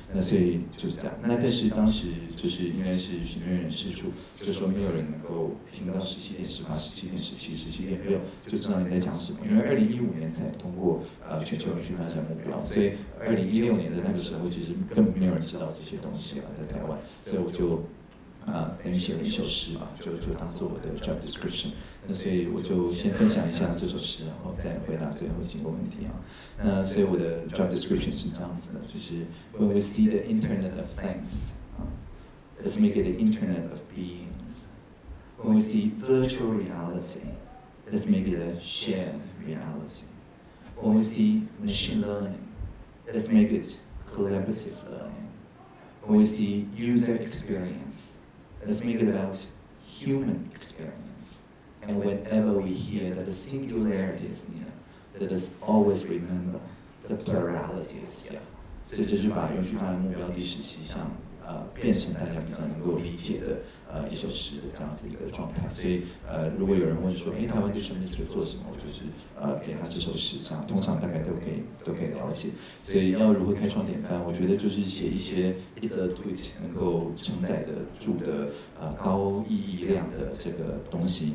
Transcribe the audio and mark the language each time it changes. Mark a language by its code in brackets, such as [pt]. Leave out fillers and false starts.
[zh] 那所以就是这样。那但是当时就是应该是行政院人事处，就说没有人能够听到17.18、17.17、17.6，就知道你在讲什么，因为2015年才通过全球永续发展目标，所以2016年的那个时候，其实根本没有人知道这些东西了，在台湾，所以我就等于写了一首诗吧，就当做我的 job description。那所以我就先分享一下这首诗，然后再回答最后几个问题啊。那所以我的 job description 是这样子的，就是 [en] When we see the Internet of Things, let's make it the Internet of Beings. When we see virtual reality, let's make it a shared reality. When we see machine learning, let's make it collaborative learning. When we see user experience, let's make it about human experience. And whenever we hear that the singularity is near, let us always remember the plurality is here. [zh] 所以这就把永续发展目标第十七项变成大家比较能够理解的一首诗的这样子一个状态。所以如果有人问说，台湾对什么事做什么，我就是给他这首诗，这样通常大概都可以了解。所以要如何开创典范，我觉得就是写一些 [en] it's a tweet [zh] 能够承载得住的高意义量的这个东西。